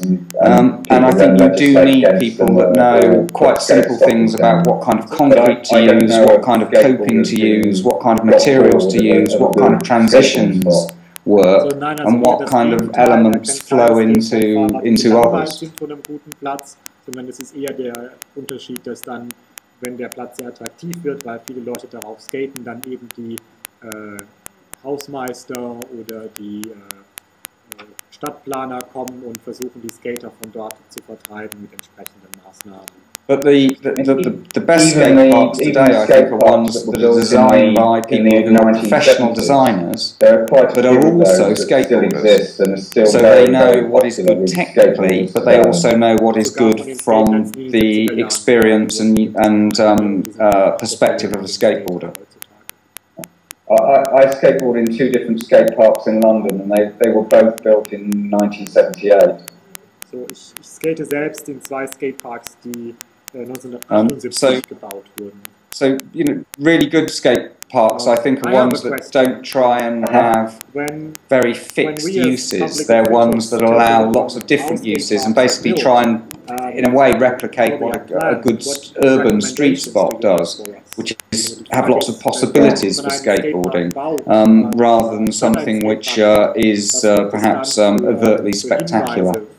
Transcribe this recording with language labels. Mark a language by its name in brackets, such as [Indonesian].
[English] and I think you do need people that know quite simple things about what kind of concrete to use, what kind of coping to use, what kind of materials to use, what kind of transitions work, and what kind of elements flow into others. [German] Von einem guten Platz, sondern es ist eher der Unterschied, dass dann, wenn der Platz sehr attraktiv wird, weil viele Leute darauf skaten, dann eben die Hausmeister oder die Stadtplaner kommen und versuchen, die Skater von dort zu vertreiben mit entsprechenden Maßnahmen. [English] But the best skate parks today, I think, are ones that are designed by people who are professional designers, but are also skateboarders. So they know what is good technically, but they also know what is good from the experience and perspective of a skateboarder. I skateboard in two different skate parks in London, and they were both built in 1978. [German] So ich skate selbst in zwei skate parks, die 1978 gebaut wurden. [English] So, you know, really good skate parks, I think, are ones that don't try and have very fixed uses. They're ones that allow lots of different uses and basically try and, in a way, replicate what a good urban street spot does, which is have lots of possibilities for skateboarding, rather than something which is perhaps overtly spectacular.